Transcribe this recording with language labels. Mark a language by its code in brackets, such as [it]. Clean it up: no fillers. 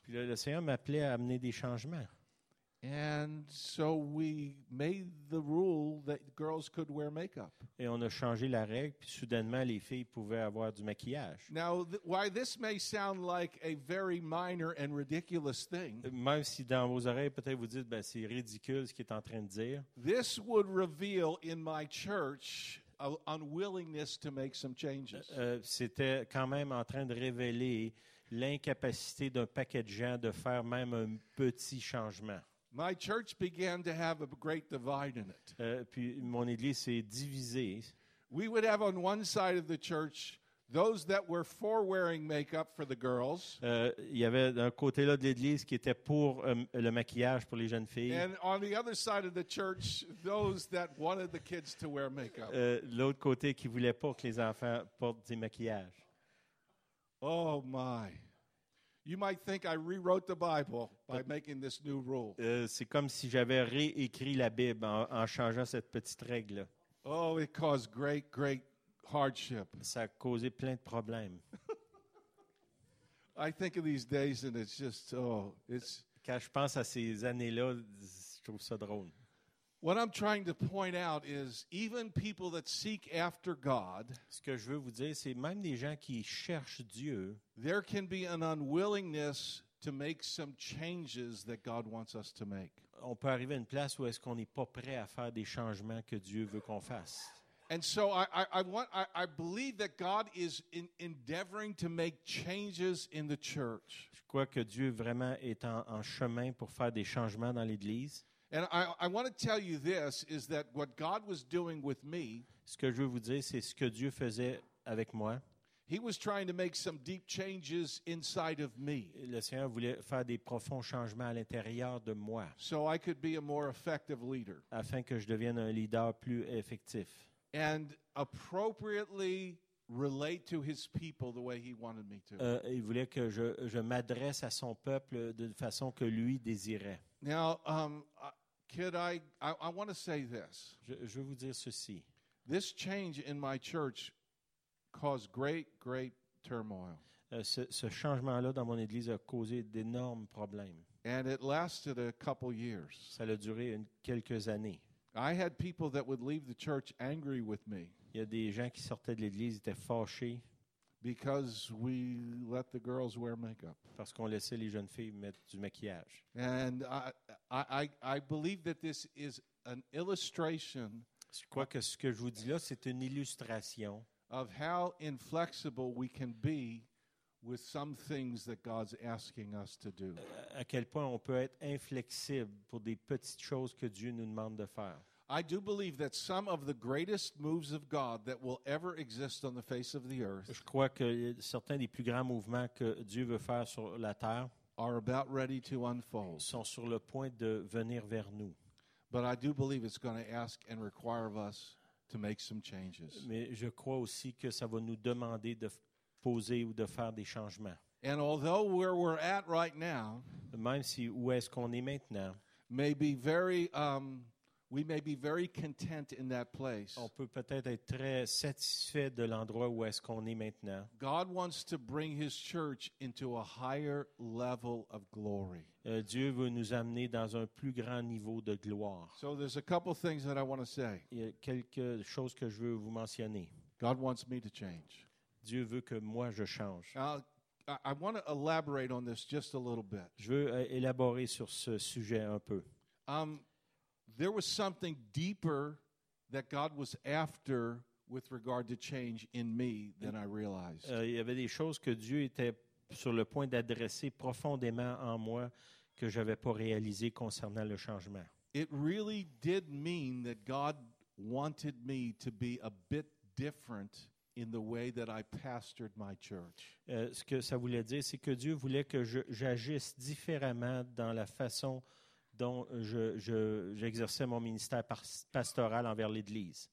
[fr] Puis là, le Seigneur m'appelait à amener des changements. [en] And so we made the rule that girls could wear makeup. [fr] Et on a changé la règle, puis soudainement les filles pouvaient avoir du maquillage. [en] Now, why this may sound like a very minor and ridiculous thing. [fr] Même si dans vos oreilles peut-être vous dites, ben c'est ridicule ce qu'il est en train de dire. [en] This would reveal in my church an unwillingness to make some changes. [fr] C'était quand même en train de révéler l'incapacité d'un paquet de gens de faire même un petit changement. [en] My church began to have a great divide in it. [fr] Puis mon église s'est divisée. [en] We would have on one side of the church those that were for wearing makeup for the girls. [fr] Il y avait d'un côté là de l'église qui était pour le maquillage pour les jeunes filles. [en] And on the other side of the church, those that wanted the kids to wear makeup. [fr] L'autre côté qui voulait pas que les enfants portent du maquillage. [en] Oh my. You might think I rewrote the Bible by making this new rule. [fr] C'est comme si j'avais réécrit la Bible en changeant cette petite règle. [en] Oh, it caused great, great hardship. [fr] Ça a causé plein de problèmes. [en] I think of these days and it's just, oh, it's... [fr] Quand je pense à ces années-là, je trouve ça drôle. [en] What I'm trying to point out is even people that seek after God, [fr] ce que je veux vous dire, c'est même des gens qui cherchent Dieu, [en] there can be an unwillingness to make some changes that God wants us to make. [fr] On peut arriver à une place où est-ce qu'on n'est pas prêt à faire des changements que Dieu veut qu'on fasse. [en] And so I believe that God is endeavoring to make changes in the church. [fr] Je crois que Dieu vraiment est en chemin pour faire des changements dans l'église. [en] And I want to tell you this is that what God was doing with me, [fr] ce que je veux vous dire, c'est ce que Dieu faisait avec moi. [en] He was trying to make some deep changes inside of me. [fr] Le Seigneur voulait faire des profonds changements à l'intérieur de moi. [en] So I could be a more effective leader. [fr] Afin que je devienne un leader plus effectif. [en] And appropriately relate to his people the way he wanted me to. [fr] Il voulait que je m'adresse à son peuple d'une façon que lui désirait. [en] Now, I want to say this. [fr] Je veux vous dire ceci. [en] This change in my church caused great, great turmoil. [fr] Ce changement-là dans mon église a causé d'énormes problèmes. [en] And it lasted a couple years. [fr] Ça a duré quelques années. [en] I had people that would leave the church angry with me. [fr] Il y a des gens qui sortaient de l'église, étaient fâchés. [en] Because we let the girls wear makeup. [fr] Parce qu'on laissait les jeunes filles mettre du maquillage. [en] And I believe that this is an illustration. [fr] Je crois que ce que je vous dis là, c'est une illustration. [en] Of how inflexible we can be with some things that God's asking us to do. [fr] À quel point on peut être inflexible pour des petites choses que Dieu nous demande de faire. [en] I do believe that some of the greatest moves of God that will ever exist on the face of the earth. [fr] Je crois que certains des plus grands mouvements que Dieu veut faire sur la terre [en] are about ready to unfold. [fr] Sont sur le point de venir vers nous. [en] But I do believe it's going to ask and require of us to make some changes. [fr] Mais je crois aussi que ça va nous demander de poser ou de faire des changements. [en] And although where we're at right now, [fr] même si où est-ce qu'on est maintenant, [en] we may be very content in that place. [fr] On peut peut-être être très satisfait de l'endroit où est-ce qu'on est maintenant. [en] God wants to bring his church into a higher level of glory. [fr] Dieu veut nous amener dans un plus grand niveau de gloire. [en] So there's a couple things that I want to say. [fr] Il y a quelques choses que je veux vous mentionner. [en] God wants me to change. [fr] Dieu veut que moi je change. [en] I want to elaborate on this just a little bit. [fr] Je veux élaborer sur ce sujet un peu. [en] There was something deeper that God was after with regard to change in me than I realized. [fr] Il y avait des choses que Dieu était sur le point d'adresser profondément en moi que je n'avais pas réalisé concernant le changement. [en] It really did mean that God wanted me to be a bit different in the way that I pastored my church. [fr] Ce que ça voulait dire, c'est que Dieu voulait que j'agisse différemment dans la façon dont j'exerçais mon ministère pastoral envers l'Église.